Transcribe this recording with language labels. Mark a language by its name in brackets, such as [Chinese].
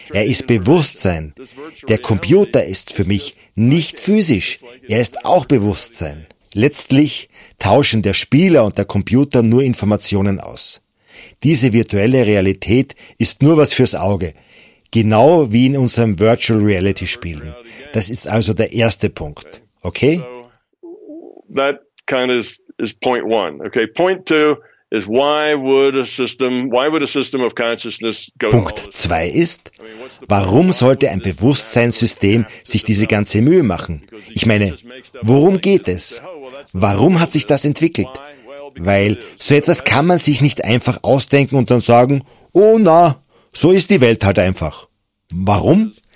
[German] Er ist Bewusstsein. Der Computer ist für mich nicht physisch. Er ist auch Bewusstsein. Letztlich tauschen der Spieler und der Computer nur Informationen aus. Diese virtuelle Realität ist nur was fürs Auge, genau wie in unserem Virtual Reality Spielen. Das ist also der erste Punkt, okay? [English] That kind of is point one. Okay, point two is why would a system, why would a system of consciousness go? [German] Punkt 2 ist, warum sollte ein Bewusstseinssystem sich diese ganze Mühe machen? Ich meine, worum geht es? Warum hat sich das entwickelt? Weil so etwas kann man sich nicht einfach ausdenken und dann sagen, oh na, so ist die Welt halt einfach. Warum?